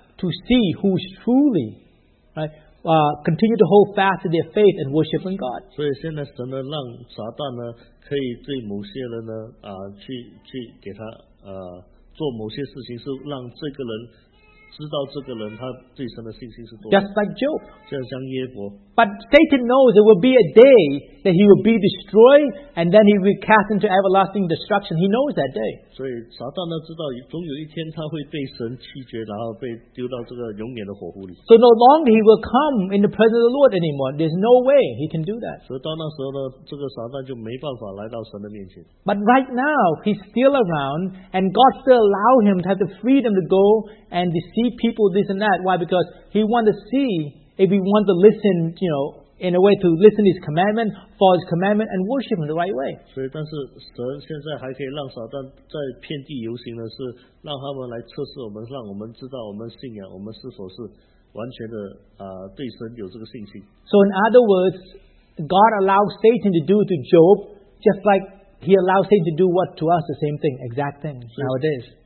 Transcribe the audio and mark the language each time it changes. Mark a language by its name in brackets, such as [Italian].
[English] To see who's truly, right, continue to hold fast to their faith and worship in God. [Chinese] 所以现在神呢，让撒旦呢，可以对某些人呢，去给他做某些事情是让这个人知道这个人他对神的信心是多少。 [English] Just like Job. [Chinese] 就像耶伯。 [English] But Satan knows there will be a day that he will be destroyed and then he will be cast into everlasting destruction. He knows that day. [Chinese] 所以撒旦呢知道总有一天他会被神弃绝然后被丢到这个永远的火湖里。 [English] So no longer he will come in the presence of the Lord anymore. There's no way he can do that. [Chinese] 所以到那时候呢这个撒旦就没办法来到神的面前。 [English] But right now he's still around and God still allows him to have the freedom to go and deceive people this and that. Why? Because he wants to see if we want to listen, you know, in a way to listen to his commandment, follow his commandment, and worship in the right way. [Chinese] 所以，但是神现在还可以让撒旦在遍地游行呢，是让他们来测试我们，让我们知道我们信仰，我们是否是完全的对神有这个信心。 [English] So in other words, God allowed Satan to do to Job, just like he allowed Satan to do what to us, the same thing, exact thing nowadays.